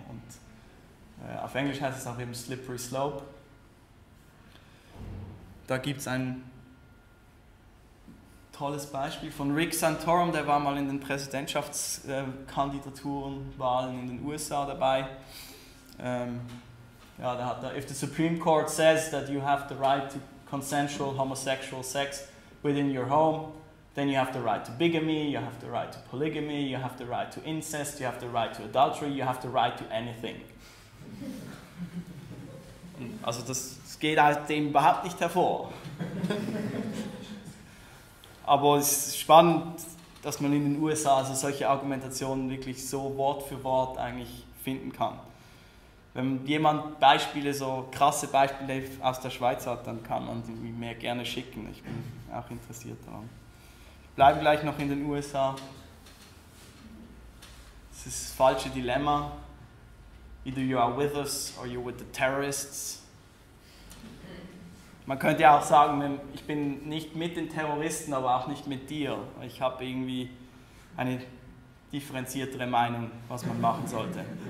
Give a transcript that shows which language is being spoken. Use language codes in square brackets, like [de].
[de] Und auf Englisch heißt es auch eben Slippery Slope. Da gibt es ein tolles Beispiel von Rick Santorum, der war mal in den Präsidentschaftskandidaturenwahlen in den USA dabei. Ja, der hat da, [en] if the Supreme Court says that you have the right to consensual homosexual sex within your home, then you have the right to bigamy, you have the right to polygamy, you have the right to incest, you have the right to adultery, you have the right to anything. [de] Also das geht aus dem überhaupt nicht hervor. Aber es ist spannend, dass man in den USA also solche Argumentationen wirklich so Wort für Wort eigentlich finden kann. Wenn jemand Beispiele, so krasse Beispiele aus der Schweiz hat, dann kann man die mir gerne schicken. Ich bin auch interessiert daran. Ich bleibe gleich noch in den USA. Das ist das falsche Dilemma. [en] Either you are with us or you're with the terrorists. [de] Man könnte ja auch sagen, ich bin nicht mit den Terroristen, aber auch nicht mit dir. Ich habe irgendwie eine differenziertere Meinung, was man machen sollte.